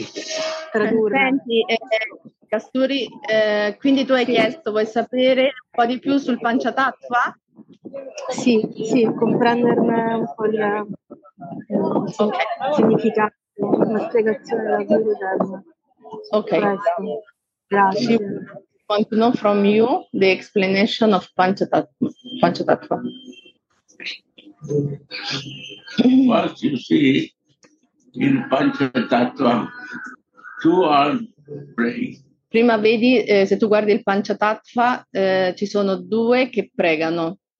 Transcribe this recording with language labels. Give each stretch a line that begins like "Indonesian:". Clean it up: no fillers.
Italian: Senti, Kasturi, quindi tu hai chiesto, vuoi sapere un po' di più sul Pancatattva? Sì, comprenderne un po' il significato, la spiegazione della verità. Ok, grazie.
English: I want to know from you the explanation of Pancatattva. What you see in Pancatattva, two are praying.
Italian: Prima vedi, se tu guardi il Pancatattva, ci sono due che pregano.